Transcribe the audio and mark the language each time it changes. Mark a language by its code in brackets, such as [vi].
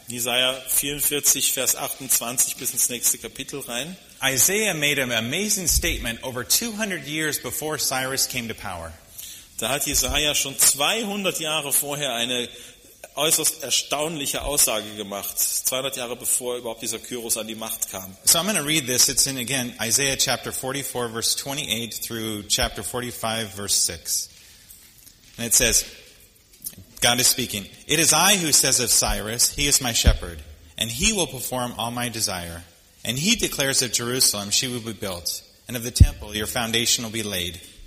[de] Jesaja 44, Vers 28 bis ins nächste Kapitel rein. [en] Isaiah made an amazing statement over 200 years before Cyrus came to power. [de] Da hat Jesaja schon 200 Jahre vorher eine äußerst erstaunliche Aussage gemacht, 200 Jahre bevor überhaupt dieser Kyros an die Macht kam. [en] So I'm going to read this. It's in, again, Isaiah chapter 44, verse 28 through chapter 45, verse 6. And it says, God is speaking, "It is I who says of Cyrus, 'He is my shepherd, and he will perform all my desire.' And he declares of Jerusalem, 'She will be built,' and of the temple, 'Your foundation will be laid.'